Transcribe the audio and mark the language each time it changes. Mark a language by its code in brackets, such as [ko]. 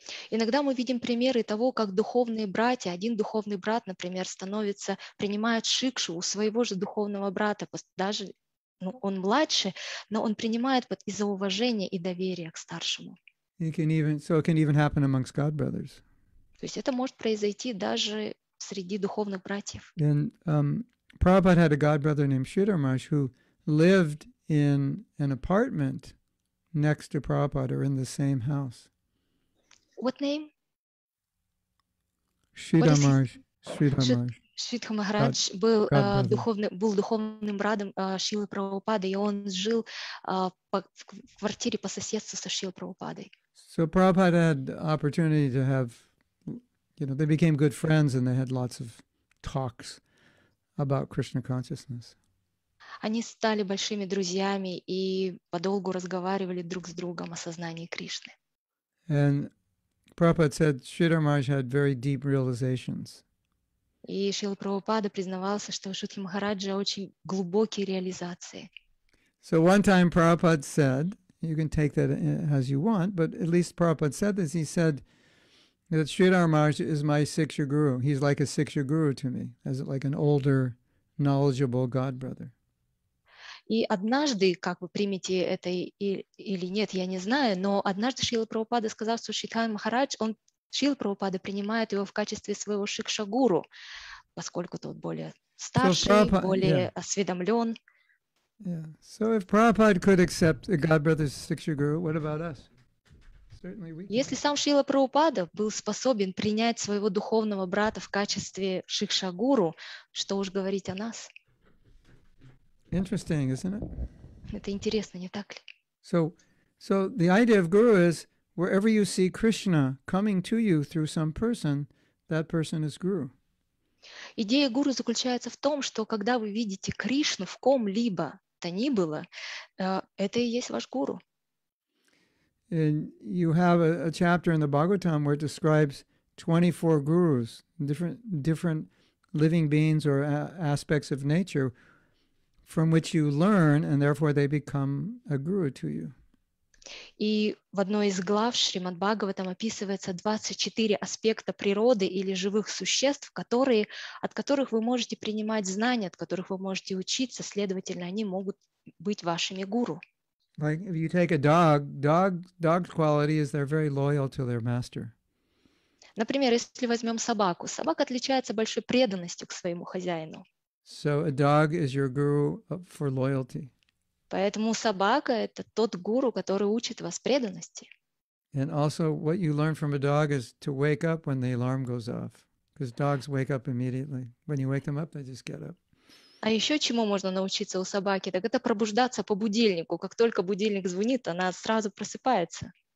[ru] Иногда мы видим примеры того, как духовные братья, один духовный брат, например, становится, принимает шикшу у своего же духовного брата, даже ну, он младше, но он принимает из-за уважения и доверия к старшему. [en] It can even happen amongst God brothers. [ru] То есть это может произойти даже среди духовных братьев. [en] And Prabhupada had a god brother named Sridhar Maharaj who lived in an apartment next to Prabhupada or in the same house. What name? Sridhar Maharaj. Sridhar Maharaj. [ru] Sridhar Maharaj был был духовным братом Шрилы Прабхупады, и он жил в квартире по соседству со Шрилой Прабхупадой. [en] So Prabhupada had opportunity to have, you know, they became good friends and they had lots of talks about Krishna consciousness. [ru] Они стали большими друзьями и подолгу разговаривали друг с другом о сознании Кришны. [en] And Prabhupada said Sridhar Maharaj had very deep realizations. [ru] И Шрила Прабхупада признавался, что у Шридхара Махараджа очень глубокие реализации. [en] So one time Prabhupada said, you can take that as you want, but at least Prabhupada said this, he said that Sridhar Maharaj is my Siksha Guru. He's like a Siksha Guru to me, as like an older, knowledgeable God brother. [ru] И однажды, как вы примете это или нет, я не знаю, но однажды Шрила Прабхупада сказал, что Шридхар Махарадж, он Шрила Прабхупада принимает его в качестве своего Шикша Гуру, поскольку тот более старший, более осведомлен. [en] Yeah. So if Prabhupada could accept a God brother's Siksha Guru, what about us? Certainly we can. [ru] Если сам Шрила Прабхупада был способен принять своего духовного брата в качестве Шикша Гуру, что уж говорить о нас? [en] Interesting, isn't it? [ru] Это интересно, не так ли? [en] So the idea of guru is wherever you see Krishna coming to you through some person, that person is guru. [ru] Идея гуру заключается в том, что когда вы видите Кришну в ком-либо то ни было, это и есть ваш гуру. [en] And you have a chapter in the Bhagavatam where it describes 24 gurus, different living beings or aspects of nature, from which you learn, and therefore they become a guru to you. [ru] И в одной из глав Шримад Бхагаватам описывается 24 аспекта природы или живых существ, от которых вы можете принимать знания, от которых вы можете учиться, следовательно, они могут быть вашими гуру. [en] Like if you take a dog's quality is they're very loyal to their master. [ru] Например, если возьмем собаку, собака отличается большой преданностью к своему хозяину. [en] So a dog is your guru for loyalty. [ru] Поэтому собака – это тот гуру, который учит вас преданности. [en] And also what you learn from a dog is to wake up when the alarm goes off. Because dogs wake up immediately. When you wake them up, they just get up. [ru] А еще чему можно научиться у собаки? Так это пробуждаться по будильнику. Как только будильник звонит, она сразу просыпается.